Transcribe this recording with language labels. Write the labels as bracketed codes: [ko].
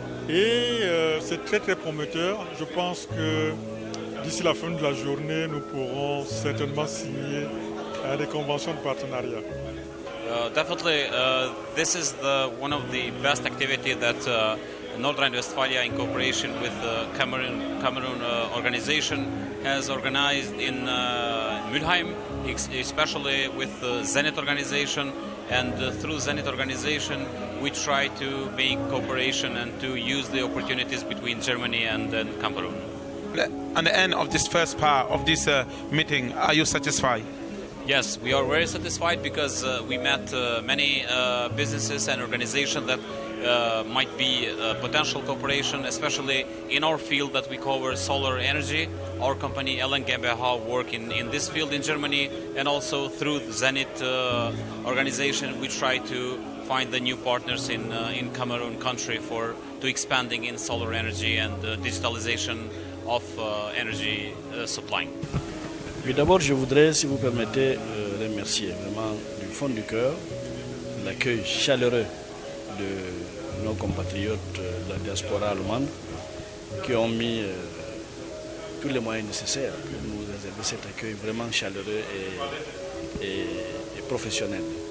[fr] Et c'est très très prometteur. Je pense que d'ici la fin de la journée, nous pourrons certainement signer les conventions de partenariat. [en] Definitely, this is one of the best activities that North Rhine-Westphalia, in cooperation with the Cameroon organization, has organized in Mülheim, especially with the Zenith organization. And through Zenith organization, we try to make cooperation and to use the opportunities between Germany and Cameroon. At the end of this first part of this meeting, are you satisfied? Yes, we are very satisfied because we met many businesses and organizations that might be a potential cooperation, especially in our field that we cover, solar energy. Our company Ellen GmbH work in this field in Germany, and also through the Zenith organization we try to find the new partners in Cameroon country to expanding in solar energy and digitalization of energy supply. [fr] Et d'abord, je voudrais, si vous permettez, remercier vraiment du fond du cœur l'accueil chaleureux de nos compatriotes de la diaspora allemande qui ont mis tous les moyens nécessaires pour nous réserver cet accueil vraiment chaleureux et professionnel.